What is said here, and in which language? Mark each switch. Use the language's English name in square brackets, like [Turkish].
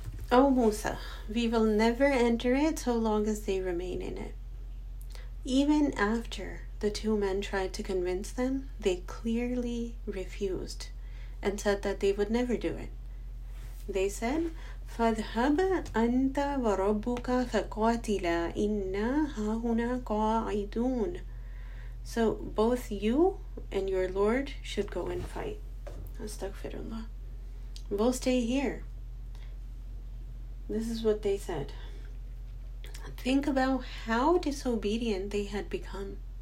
[English] O Musa, we will never enter it so long as they remain in it. Even after the two men tried to convince them, they clearly refused and said that they would never do it. They said, [Arabic] فَذْهَبْ أَنْتَ وَرَبُّكَ فَقَاتِلَا إِنَّا هَاهُنَا قَاعِدُونَ. [English] So both you and your Lord should go and fight. Astaghfirullah. We'll stay here. This is what they said. Think about how disobedient they had become.